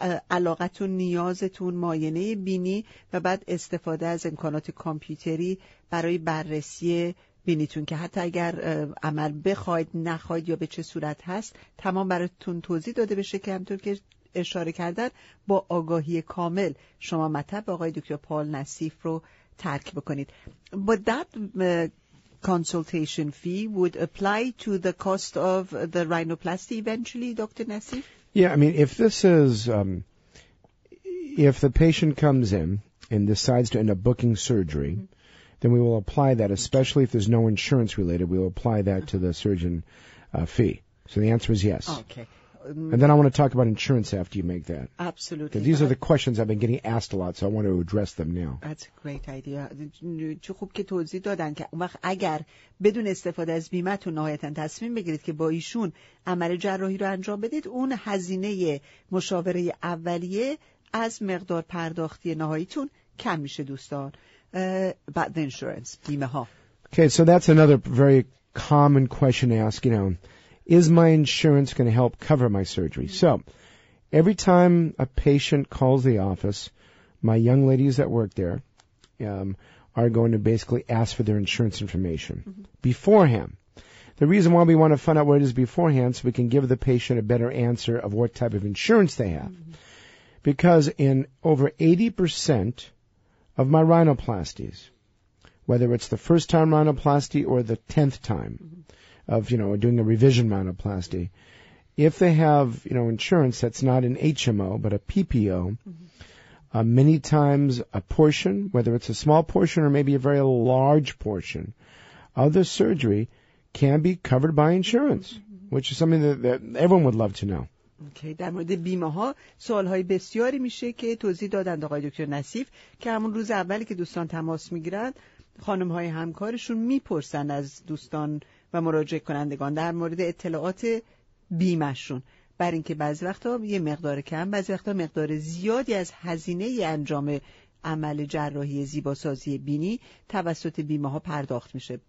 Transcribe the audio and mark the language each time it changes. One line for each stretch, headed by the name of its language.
Persian: علاقتون، نیازتون، معاینه بینی و بعد استفاده از امکانات کامپیوتری برای بررسی بینیتون که حتی اگر عمل بخواید نخواید یا به چه صورت هست تمام براتون توضیح داده بشه که همطور که اشاره کردن با آگاهی کامل شما مطب آقای دکتر پال نصیف رو ترک بکنید.
English: But that consultation fee would apply to the cost of the rhinoplasty eventually, Dr. Nassif? Yeah, I mean, if this is, if the patient comes in and decides to end up booking surgery, then we will apply that, especially if there's no insurance related, we will apply that to the surgeon fee. So the answer is yes. Okay. And then I want to talk about insurance after you make that. Absolutely. These are the questions I've been getting asked a lot, so I want to address them now. That's a great idea.
Persian: چه خوب که توضیح دادن که وقت اگر بدون استفاده از بیمه‌تون نهایتاً تصمیم بگیرید که با ایشون عمل جراحی رو انجام بدید، اون هزینه مشاوره اولیه از مقدار پرداختی نهاییتون کم میشه دوستان.
English: About the insurance, بیمه‌ها. Okay, so that's another very common question to ask, you know, is my insurance going to help cover my surgery? So, every time a patient calls the office, my young ladies that work there are going to basically ask for their insurance information beforehand. The reason why we want to find out what it is beforehand so we can give the patient a better answer of what type of insurance they have. Because in over 80% of my rhinoplasties, whether it's the first time rhinoplasty or the 10th time, of, you know, doing a revision rhinoplasty, if they have, you know, insurance that's not an HMO but a PPO, many times a portion, whether it's a small portion or maybe a very large portion, of the surgery can be covered by insurance, which is something that everyone would love to know. Okay.
Persian: در مورد بیمه ها سوال های بسیاری میشه که توضیح دادند آقای دکتر نصیف که همون روز اولی که دوستان تماس میگیرند خانم های همکارشون میپرسند از دوستان و مراجع کنندگان در مورد اطلاعات بیمهشون، بر این که بعضی وقتا یه مقدار کم، بعضی وقتا مقدار زیادی از هزینه ی انجام عمل جراحی زیباسازی بینی توسط بیمه ها پرداخت میشه.